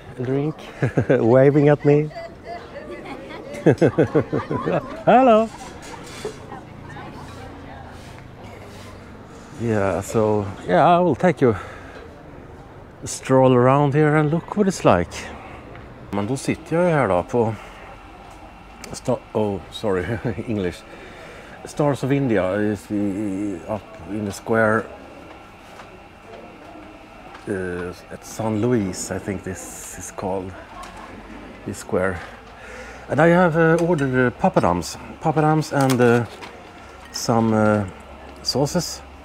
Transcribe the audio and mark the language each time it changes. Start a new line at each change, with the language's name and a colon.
English: drink, waving at me. Hello. Yeah, so yeah, I will take you a stroll around here and look what it's like.
Swedish: Men då sitter jag här då på English.
English: Stars of India is up in the square at San Luis, I think this is called, this square. And I have ordered papadams and some sauces.